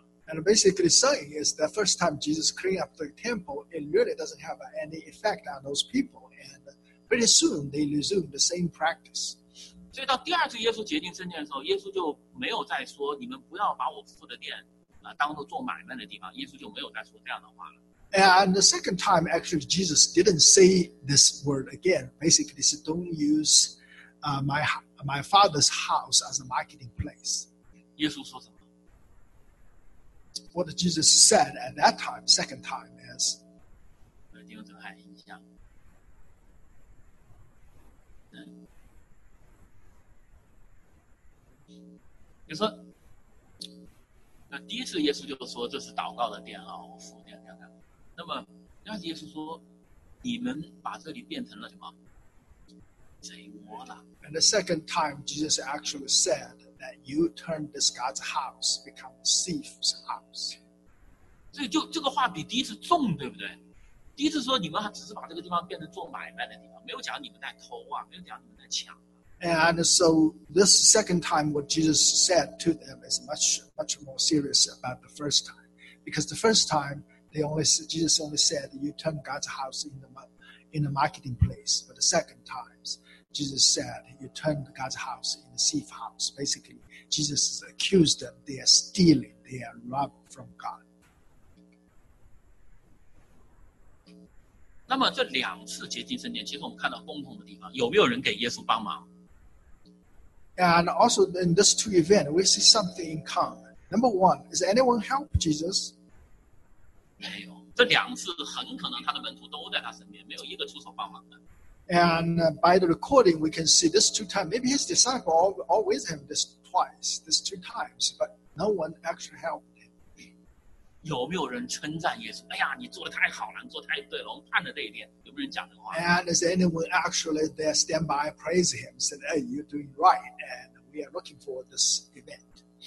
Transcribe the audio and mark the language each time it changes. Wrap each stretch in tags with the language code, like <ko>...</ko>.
<en>And basically saying is the first time Jesus cleaned up the temple, it really doesn't have any effect on those people. And pretty soon, they resume the same practice.</en> <zh>所以到第二次耶稣洁净圣殿的时候，耶稣就没有再说，你们不要把我父的殿当作做买卖的地方，耶稣就没有再说这样的话了。</zh> <en>And the second time, actually, Jesus didn't say this word again. Basically, he said, don't use my father's house as a marketing place.</en> <zh>耶稣说什么？</zh> <en>What Jesus said at that time, second time, is</en> <zh>弟兄姊妹，你想，你说，那第一次耶稣就说这是祷告的殿啊，我父殿这样。那么，第二次耶稣说，你们把这里变成了什么？</zh> <en>And the second time, Jesus actually said that you turned this God's house become a thief's house.</en> <zh>这个话比第一次重，对不对？第一次说你们只是把这个地方变成做买卖的地方，没有讲你们在偷啊，没有讲你们在抢。</zh> <en>And so this second time, what Jesus said to them is much, much more serious about the first time, because the first time Jesus only said you turned God's house into a marketing place, but the second time. Jesus said, you turned God's house into a thief's house. Basically, Jesus accused them, they are stealing, they are robbed from God.</en> <zh>那么这两次洁净圣殿，其实我们看到共同的地方，有没有人给耶稣帮忙？</zh> <en>And also in these two events, we see something in common. Number one, is anyone help Jesus?</en> <zh>没有，这两次很可能他的门徒都在他身边，没有一个出手帮忙的。</zh> <en>And by the recording, we can see this two times. Maybe his disciple always have this twice, this two times, but no one actually helped him.</en> <zh>有没有人称赞耶稣？哎呀，你做的太好了，你做太对了。我们看着这一点，有没有人讲这话</zh> <en>？And is anyone actually there stand by praise him? Said, "Hey, you're doing right, and we are looking for this event."</en>